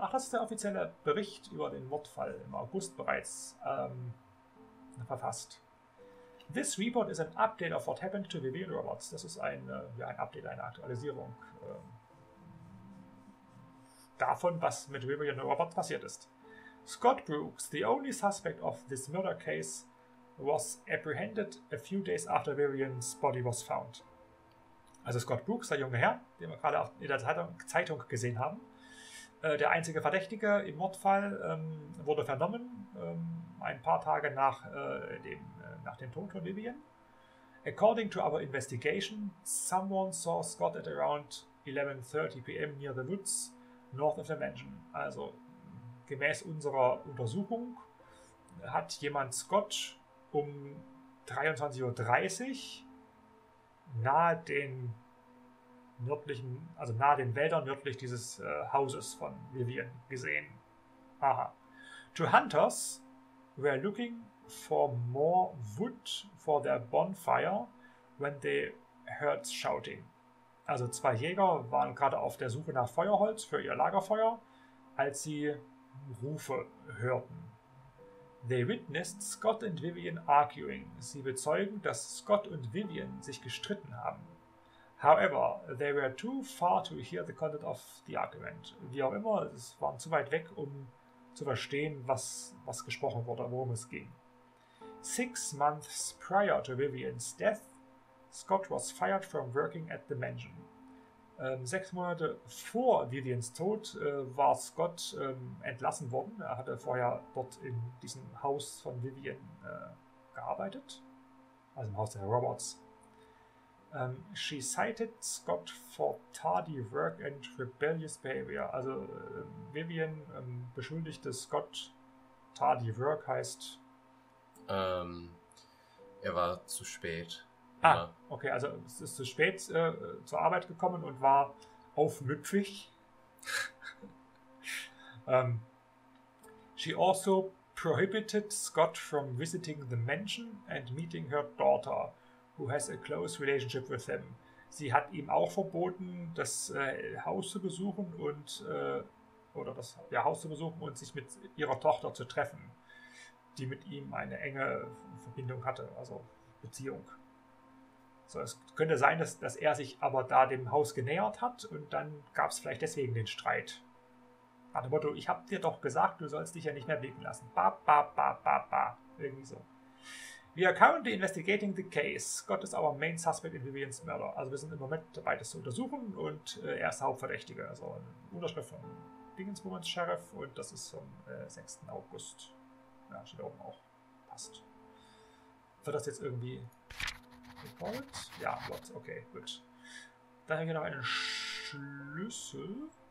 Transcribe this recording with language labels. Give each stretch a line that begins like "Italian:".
German: Ach, das ist der offizielle Bericht über den Mordfall im August bereits verfasst.
English: This report is an update of what happened to Vivian Roberts.
German: Das ist ein Update, eine Aktualisierung davon, was mit Vivian Roberts passiert ist.
English: Scott Brooks, the only suspect of this murder case, was apprehended a few days after Vivian's body was found.
German: Also Scott Brooks, der junge Herr, den wir gerade auch in der Zeitung gesehen haben, der einzige Verdächtige im Mordfall, wurde vernommen ein paar Tage nach dem Tod von Vivian.
English: According to our investigation, someone saw Scott at around 11:30 p.m. near the woods north of the mansion.
German: Also gemäß unserer Untersuchung hat jemand Scott um 23.30 Uhr nahe den nördlichen, also nahe den Wäldern nördlich dieses Hauses von Vivian gesehen. Aha.
English: Two hunters were looking for more wood for their bonfire when they heard shouting.
German: Also zwei Jäger waren gerade auf der Suche nach Feuerholz für ihr Lagerfeuer, als sie Rufe hörten.
English: They witnessed Scott and Vivian arguing.
German: Sie bezeugen, dass Scott und Vivian sich gestritten haben.
English: However, they were too far to hear the content of the argument.
German: Wie auch immer, es waren zu weit weg, um zu verstehen, was gesprochen wurde, worum es ging.
English: 6 months prior to Vivian's death, Scott was fired from working at the mansion.
German: Sechs Monate vor Vivians Tod war Scott entlassen worden. Er hatte vorher dort in diesem Haus von Vivian gearbeitet, also im Haus der Robots.
English: She cited Scott for tardy work and rebellious behavior.
German: Also Vivian beschuldigte Scott, tardy work heißt... Er war zu spät. Ah, okay, also es ist zu spät zur Arbeit gekommen und war aufmüpfig.
English: she also prohibited Scott from visiting the mansion and meeting her daughter, who has a close relationship with him.
German: Sie hat ihm auch verboten, das Haus zu besuchen und oder das ja, Haus zu besuchen und sich mit ihrer Tochter zu treffen, die mit ihm eine enge Verbindung hatte, also Beziehung. So, es könnte sein, dass er sich aber da dem Haus genähert hat und dann gab es vielleicht deswegen den Streit. Nach dem Motto, ich habe dir doch gesagt, du sollst dich ja nicht mehr blicken lassen.
English: Ba, ba, ba, ba, ba.
German: Irgendwie so.
English: We are currently investigating the case. Scott is our main suspect in Vivian's murder.
German: Also wir sind im Moment dabei, das zu untersuchen und er ist Hauptverdächtiger. Also eine Unterschrift von Dingenswoman's Sheriff und das ist vom 6. August. Ja, steht oben auch. Passt. Wird das jetzt irgendwie... Report? Ja, Gott, okay, gut. Dann haben wir noch einen Schlüssel.